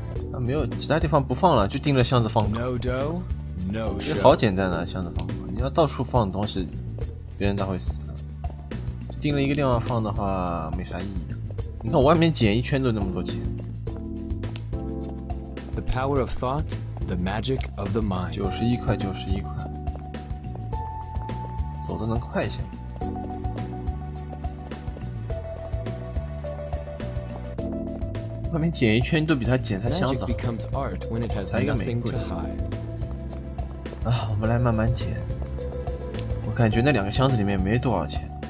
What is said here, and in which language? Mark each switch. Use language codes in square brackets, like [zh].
[zh] 那没有其他地方不放了，就盯着箱子放狗。 [en] No dough, no show。 [zh] 其实好简单的、箱子放狗，你要到处放东西，别人倒会死的。就盯着一个地方放的话，没啥意义。你看我外面捡一圈都那么多钱。 [en] The power of thought, the magic of the mind. [zh] 91块，走得能快一些。外面捡一圈都比他捡他箱子好。 [en] Magic becomes art when it has nothing to hide. [zh] 我们来慢慢捡。我感觉那两个箱子里面没多少钱。